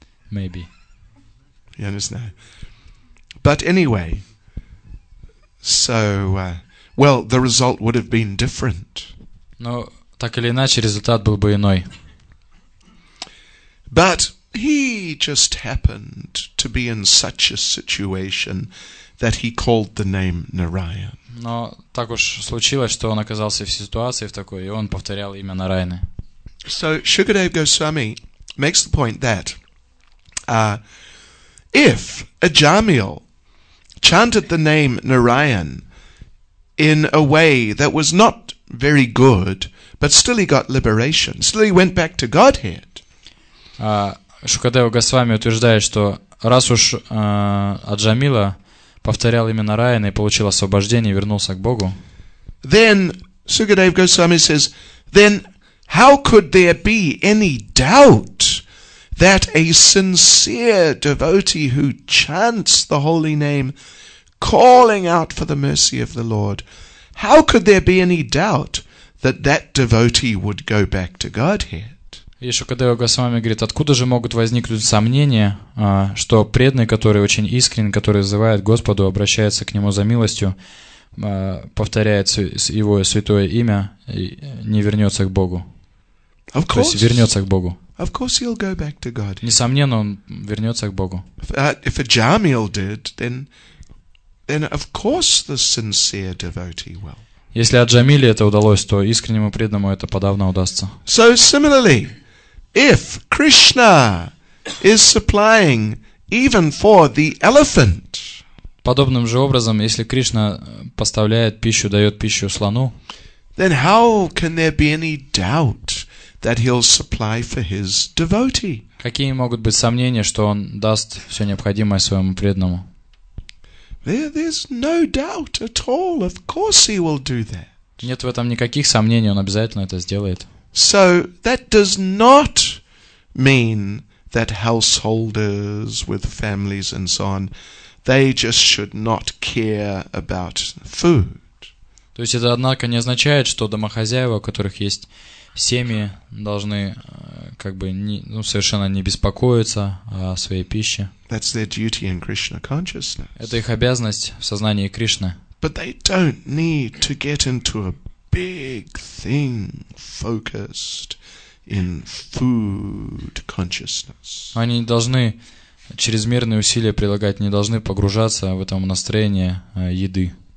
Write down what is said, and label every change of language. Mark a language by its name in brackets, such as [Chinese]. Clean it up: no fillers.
[English] Maybe. [Russian] Я не знаю. [English] But anyway, so. Well, the result would have been different. [Russian] Но так или иначе результат был бы иной. [English] But he just happened to be in such a situation that he called the name Narayan. [Russian] Но так уж случилось, что он оказался в ситуации в такой, и он повторял имя Нараяны. [English] So Shukadev Goswami makes the point that if Ajamil chanted the name Narayan in a way that was not very good, but still he got liberation. Still he went back to Godhead. [Russian] Шукадева Госвами утверждает, что раз уж Аджамила повторял имя Нараяна и получил освобождение, вернулся к Богу. [English] Then Шукадева Госвами says, then how could there be any doubt that a sincere devotee who chants the holy name, calling out for the mercy of the Lord, how could there be any doubt that that devotee would go back to Godhead? [Russian] И Шукадева Госвами говорит, откуда же могут возникнуть сомнения, что преданный, который очень искренен, который взывает Господу, обращается к Нему за милостью, повторяет Его святое имя, не вернется к Богу? [English] Of course. [Russian] То есть вернется к Богу. [English] Of course he'll go back to God. [Russian] Несомненно, он вернется к Богу. [English] If Ajamil did, then of course the sincere devotee will. [Russian] Если Аджамиле это удалось, то искреннему преданному это подавно удастся. [English] So similarly, if Krishna is supplying even for the elephant. [Russian] Подобным же образом, если Кришна поставляет пищу, дает пищу слону. [English] Then how can there be any doubt that he'll supply for his devotee? [Russian] Какие могут быть сомнения, что он даст все необходимое своему преданному? [English] There's no doubt at all. Of course he will do that. [Russian] Нет в этом никаких сомнений, он обязательно это сделает. [English] So that does not mean that householders with families and so on, they just should not care about food. [Russian] То есть это, однако, не означает, что домохозяева, у которых есть семьи, должны как бы совершенно не беспокоиться о своей пище. [English] That's their duty in Krishna consciousness. [Russian] Это их обязанность в сознании Кришны. [English] But they don't need to get into a big thing focused in food consciousness. [Russian] Они не должны чрезмерные усилия прилагать, не должны погружаться в этом настроение еды.